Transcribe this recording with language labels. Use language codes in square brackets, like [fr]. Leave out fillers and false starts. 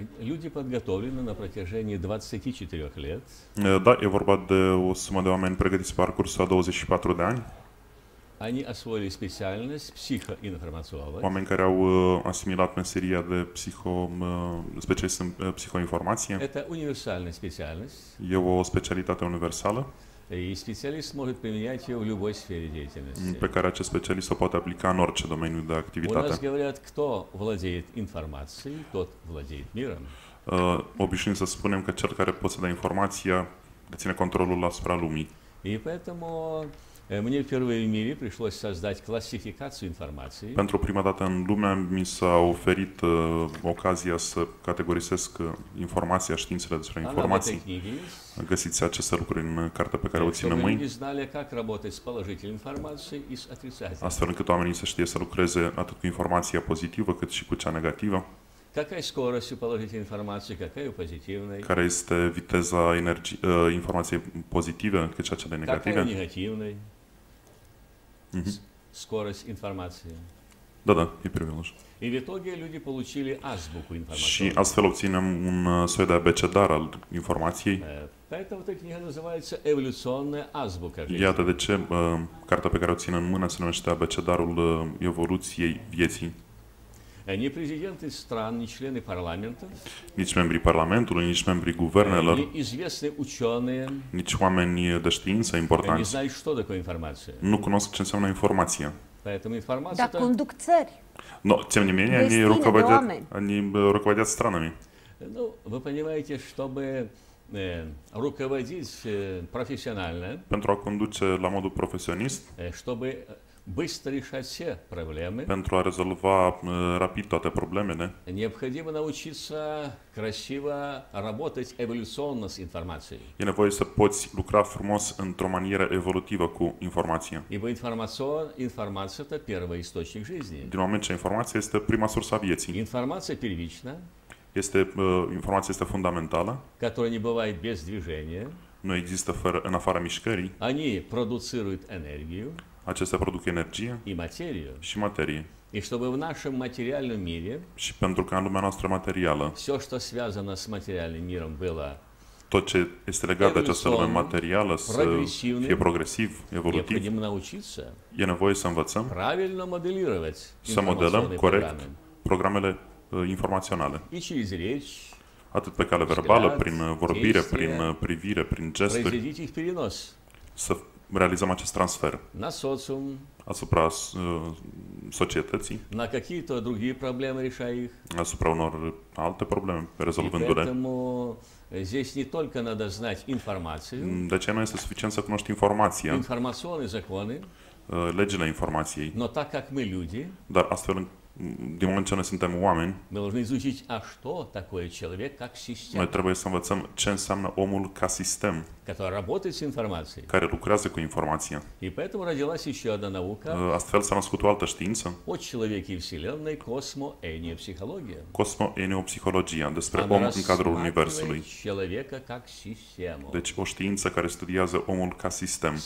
[ru] Люди подготовлены на протяжении 24 лет. [ro] Да, e vorba de o sumă de oameni pregătiți pe parcursul a 24 de ani. [ru] Они освоили специальность психоинформационного. [ro] Oameni care au asimilat meseria de specialist în psihoinformație. [ru] Это универсальная специальность. [ro] E o specialitate universală. [ru] И специалист может применять ее в любой сфере деятельности. [ro] Pe care acest specialist o poate aplica în orice domeniu de activitate. [ru] У нас говорят, кто владеет информацией, тот владеет миром. [ro] Obișnuim să spunem că cel care posedă informația deține controlul asupra lumii. [ru] И поэтому мне впервые в мире пришлось создать классификацию информации. [ro] Pentru prima dată în lume mi s-a oferit ocazia să categorisesc informația, științele despre informații. Găsiți aceste lucruri în cartea pe care o țin în mâini. Nu știu cum [ru] работать с положительной информацией и с отрицательной. [ro] Astfel încât oamenii să știe să lucreze atât cu informația pozitivă, cât și cu cea negativă. [ru] Какая скорость у положительной информации, какая у позитивной? [ro] Care este viteza informației pozitive, cât și a cea negativă? [ru] Какая у негативной? Скорость информации. Да-да, я перевел уже. И в итоге люди получили азбуку информации. [ro] Și astfel obținem un soi de abecedar al informației. [ru] Поэтому эта книга называется «Эволюционная азбука». [ro] Iată de ce cartea pe care o țin în mână se numește «Abecedarul evoluției vieții». [ru] Ни президенты стран, ни члены парламентов. [ro] Nici membrii parlamentului, nici membrii guvernelor. [ru] Ни известные ученые. [ro] Nici oameni de știință importanți. [ru] Не знаю, что такое информация. [ro] Nu cunosc ce înseamnă informația. [ru] Поэтому информация. [ro] Да, conduc țări. [ru] Но тем не менее они руководят, странами. Ну, вы понимаете, чтобы руководить профессионально. [ro] Pentru a conduce la modul profesionist. [ru] Чтобы быстро решать все проблемы. [ro] Pentru a rezolva rapid toate problemele. [ru] Необходимо научиться красиво работать эволюционно с информацией. [ro] E nevoie să poți lucra frumos într-o manieră evolutivă cu informația. [ru] Ибо информация это первый источник жизни. [ro] Din moment ce informația este prima sursă a vieții. [ru] Информация первична. [ro] Este informația este fundamentală. [ru] Которая не бывает без движения. [ro] Nu există fără în afara mișcării. [ru] Они продуцируют энергию. [ro] Acestea produc energie [ru] и материю. [ro] Și materie. [ru] И чтобы в нашем материальном мире, [ro] și pentru că în lumea noastră materială, [ru] все, что связано с материальным миром, было [ro] tot ce este legat de această lume materială să fie progresiv, evolutiv, e nevoie să învățăm [ru] правильно моделировать [ro] să modelăm corect programele informaționale. [ru] И через речь, [ro] atât pe cale verbală, prin vorbire, prin privire, prin gesturi, să realizăm acest transfer [ru] на социум, [ro] asupra societății, [ru] на какие-то другие проблемы решая их, [ro] asupra unor alte probleme, rezolvându-le. [ru] Здесь не только надо знать информацию, [ro] de ce nu este suficient să cunoști informația, [ru] информационные законы, [ro] legile informației, [ru] но так как мы люди, [ro] dar astfel din moment ce noi suntem oameni, [ru] мы должны изучить, а что такое человек как система. [ro] Noi trebuie să învățăm ce înseamnă omul ca sistem, [ru] который работает с информацией, [ro] care lucrează cu informația. [ru] И поэтому родилась еще одна наука. [ro] Astfel s-a născut o altă știință. [ru] О человеке и вселенной, космоэнеопсихология. [ro] Космоэнеопсихология, despre om în cadrul universului. [ru] Человека как систему. [ro] Deci o știință care studiază omul ca sistem.